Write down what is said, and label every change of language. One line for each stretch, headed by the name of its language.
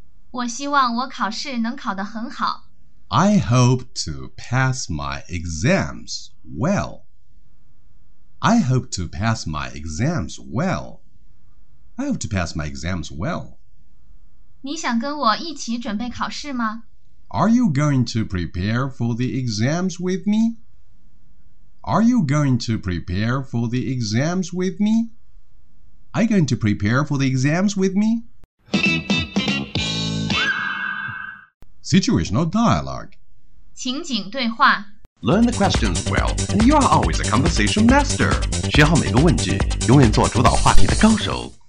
Chinese: 我希望我考试能考得很好。
English: I hope to pass my exams well. I hope to pass my exams well. I hope to pass my exams well.
Chinese: 你想跟我一起准备考试吗？
English: Are you going to prepare for the exams with me? Are you going to prepare for the exams with me? Are you going to prepare for the exams with me? Situational dialogue.
Chinese: 情景对话。
English: Learn the questions well, and you are always a conversation master.
Chinese: 学好每个问句，永远做主导话题的高手。